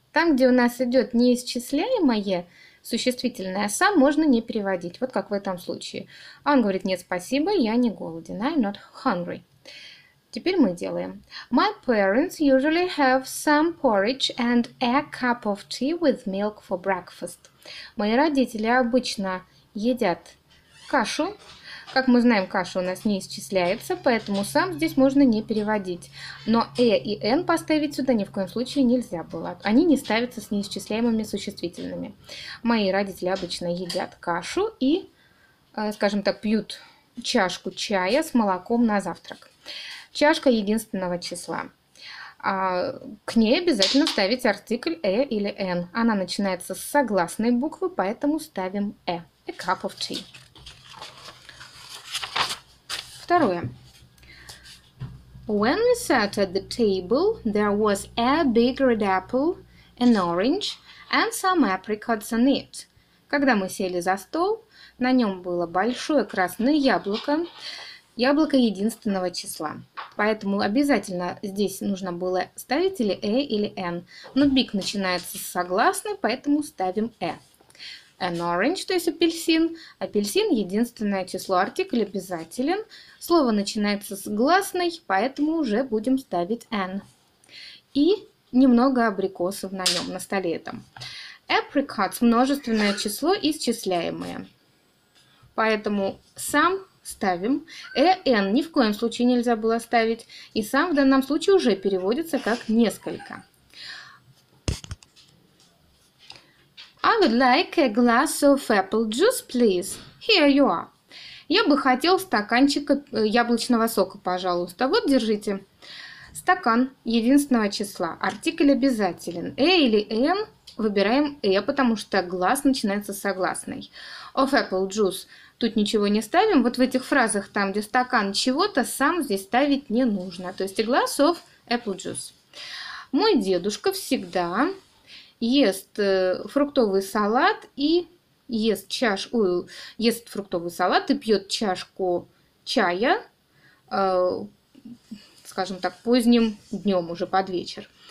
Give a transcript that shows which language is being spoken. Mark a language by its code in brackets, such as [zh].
[ru] Там, где у нас идет неисчисляемое существительное «сам», можно не переводить. Вот как в этом случае. Он говорит «нет, спасибо, я не голоден». [en] I'm not hungry. [ru] Теперь мы делаем. [en] My parents usually have some porridge and a cup of tea with milk for breakfast. [ru] Мои родители обычно едят кашу. Как мы знаем, каша у нас не исчисляется, поэтому сам здесь можно не переводить. Но «э» и «н» поставить сюда ни в коем случае нельзя было. Они не ставятся с неисчисляемыми существительными. Мои родители обычно едят кашу и, скажем так, пьют чашку чая с молоком на завтрак. Чашка единственного числа. К ней обязательно ставить артикль «э» или «н». Она начинается с согласной буквы, поэтому ставим «э». [en] A cup of tea. [ru] Второе. [en] When we sat at the table, there was a big red apple, an orange, and some apricots on it. [ru] Когда мы сели за стол, на нем было большое красное яблоко. Яблоко единственного числа. Поэтому обязательно здесь нужно было ставить или «э» или «н». Но «биг» начинается с согласной, поэтому ставим «э». [en] «An orange», [ru] то есть апельсин. Апельсин – единственное число, артикль обязателен. Слово начинается с гласной, поэтому уже будем ставить «н». И немного абрикосов на нем, на столе этом. «Apricots» – множественное число, исчисляемое. Поэтому «сам» ставим. «Эн» ни в коем случае нельзя было ставить. И «сам» в данном случае уже переводится как «несколько». [en] I would like a glass of apple juice, please. Here you are. [ru] Я бы хотел стаканчик яблочного сока, пожалуйста. Вот, держите. Стакан единственного числа. Артикль обязателен. «Э» или «эн» выбираем «э», потому что «глаз» начинается с согласной. [en] Of apple juice. [ru] Тут ничего не ставим. Вот в этих фразах, там, где стакан чего-то, сам здесь ставить не нужно. То есть, [en] a glass of apple juice. [ru] Мой дедушка всегда ест фруктовый салат и ест фруктовый салат и пьет чашку чая, скажем так, поздним днем уже под вечер.